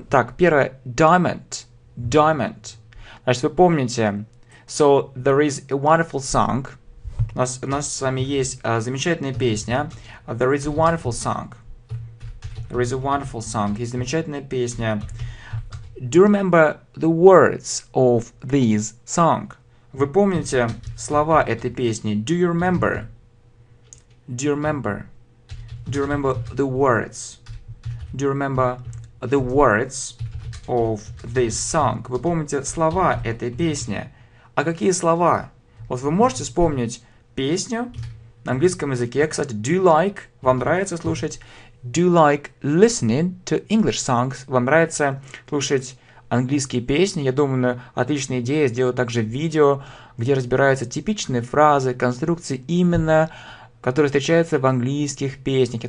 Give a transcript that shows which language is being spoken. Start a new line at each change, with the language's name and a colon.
Russian: Так, первое. Diamond. Diamond. Значит, вы помните.
English: So, there is a wonderful song.
Russian: У нас с вами есть замечательная песня.
English: There is a wonderful song. There is a wonderful song.
Russian: Есть замечательная песня.
English: Do you remember the words of this song?
Russian: Вы помните слова этой песни?
English: Do you remember? Do you remember? Do you remember the words? Do you remember the words of this song?
Russian: Вы помните слова этой песни? А какие слова? Вот вы можете вспомнить песню на английском языке. Кстати,
English: do you like?
Russian: Вам нравится слушать?
English: Do you like listening to English songs?
Russian: Вам нравится слушать английские песни? Я думаю, отличная идея сделать также видео, где разбираются типичные фразы, конструкции, именно которые встречаются в английских песнях.